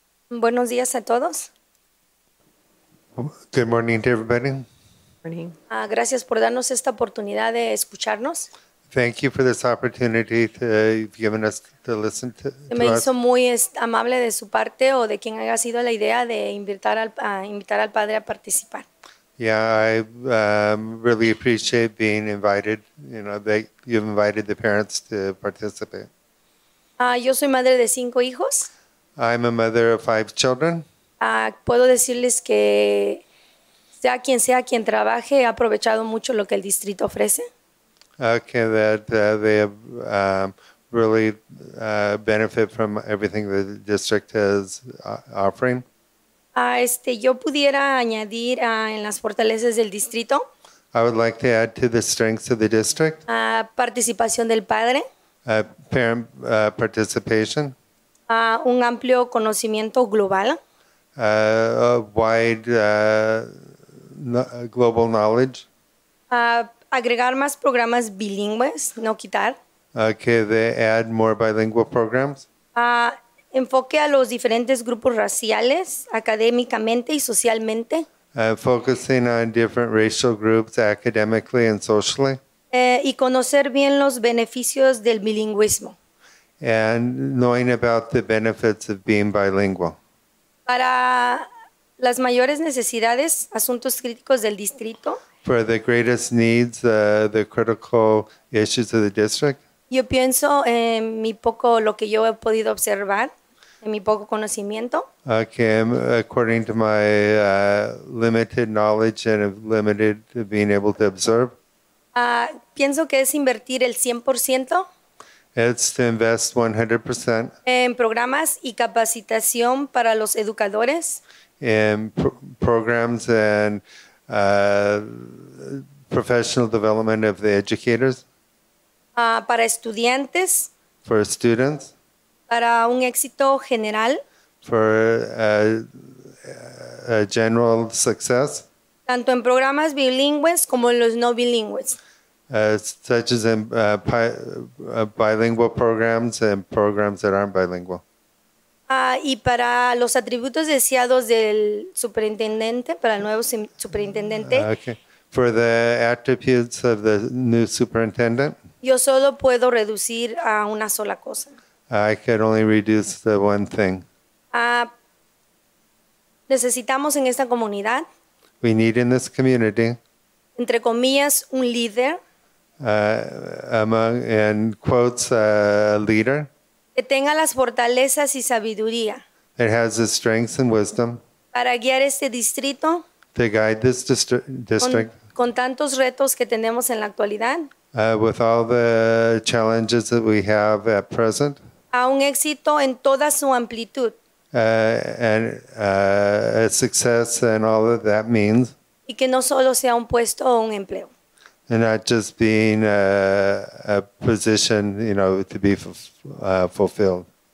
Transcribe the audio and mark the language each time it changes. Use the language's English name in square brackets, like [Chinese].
[Spanish] Buenos dias a todos. [English] Good morning to everybody. Morning. [Spanish] Gracias por darnos esta oportunidad de escucharnos. [English] Thank you for this opportunity to, you've given us to listen to us. [Spanish] Me hizo muy amable de su parte o de quien haya sido la idea de invitar al padre a participar. [English] Yeah, I really appreciate being invited, that you've invited the parents to participate. [Spanish] Yo soy madre de 5 hijos. [English] I'm a mother of 5 children. [Spanish] Puedo decirles que sea quien trabaje, ha aprovechado mucho lo que el distrito ofrece. [English] Okay, that they have really benefit from everything the district is offering. [Spanish] Yo pudiera añadir en las fortalezas del distrito. [English] I would like to add to the strengths of the district. [Spanish] Participación del padre. [English] Parent participation. [Spanish] Un amplio conocimiento global. [English] Global knowledge. [Spanish] Agregar más programas bilingües, no quitar. [English] Okay, they add more bilingual programs. [Spanish] Enfoque a los diferentes grupos raciales, académicamente y socialmente. [English] Focusing on different racial groups academically and socially. [Spanish] Y conocer bien los beneficios del bilingüismo. [English] And knowing about the benefits of being bilingual. [Spanish] Para las mayores necesidades, asuntos críticos del distrito. [English] For the greatest needs, the critical issues of the district. [Spanish] Yo pienso en mi poco, lo que yo he podido observar, en mi poco conocimiento. [English] Okay, according to my limited knowledge and limited being able to observe. [Spanish] Pienso que es invertir el 100%. [English] It's to invest 100%. [Spanish] En programas y capacitación para los educadores. [English] In programs and professional development of the educators. [Spanish] Para estudiantes. [English] For students. [Spanish] Para un éxito general. [English] For a general success. [Spanish] Tanto en programas bilingües como en los no bilingües. [English] Such as in bilingual programs and programs that aren't bilingual. [Spanish] Y para los atributos deseados del superintendente, para el nuevo superintendente. [English] Okay. For the attributes of the new superintendent. [Spanish] Yo solo puedo reducir a una sola cosa. [English] I could only reduce the one thing. [Spanish] Necesitamos en esta comunidad. [English] We need in this community. [Spanish] Entre comillas, un líder. [English] Among, in quotes, a leader. [Spanish] Que tenga las fortalezas y sabiduría. [English] It has the strengths and wisdom. [Spanish] Para guiar este distrito. [English] To guide this district. [Spanish] Con tantos retos que tenemos en la actualidad. [English] With all the challenges that we have at present. [Spanish] A un éxito en toda su amplitud. [English] And a success and all that that means. [Spanish] Y que no solo sea un puesto o un empleo. [English] And not just being a position, to be fulfilled.